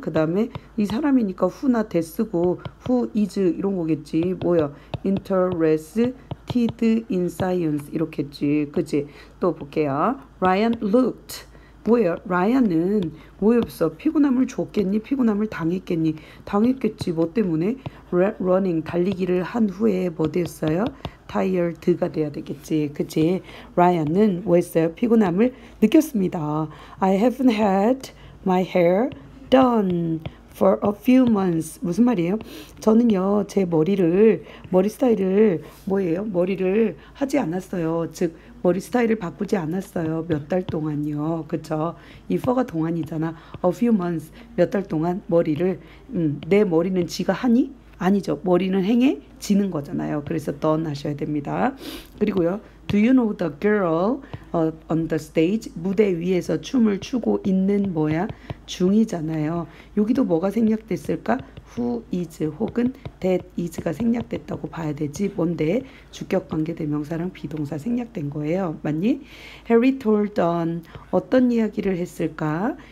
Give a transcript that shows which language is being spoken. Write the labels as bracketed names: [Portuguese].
[Korean] 그다음에 이 사람이니까 who나 대 쓰고 [English] who is [Korean] 이런 거겠지. 뭐야? [English] interested in science [Korean] 이렇겠지. 그치? 또 볼게요. [English] Ryan looked. [Korean] 뭐예요? 라이언은 뭐였어? 피곤함을 줬겠니? 피곤함을 당했겠니? 당했겠지. 뭐 때문에? 러닝, 달리기를 한 후에 뭐 됐어요? 타이어드가 돼야 되겠지. 그치? 라이언은 뭐 했어요? 피곤함을 느꼈습니다. [English] I haven't had my hair done for a few months. [Korean] 무슨 말이에요? 저는요, 제 머리 스타일을 뭐예요? 머리를 하지 않았어요. 즉, 머리 스타일을 바꾸지 않았어요. 몇달 동안요. 그쵸? 이 for가 동안이잖아. [English] A few months. [Korean] 몇달 동안 머리를. 내 머리는 지가 하니? 아니죠. 머리는 행해? 지는 거잖아요. 그래서 done 하셔야 됩니다. 그리고요. [English] Do you know the girl on the stage? [Korean] 무대 위에서 춤을 추고 있는 뭐야? 중이잖아요. 여기도 뭐가 생략됐을까? [English] who is [Korean] 혹은 [English] that is [Korean] 가 생략됐다고 봐야 되지. 뭔데? 주격 관계 대명사랑 비동사 생략된 거예요. 맞니? [English] Harry told on [Korean] 어떤 이야기를 했을까?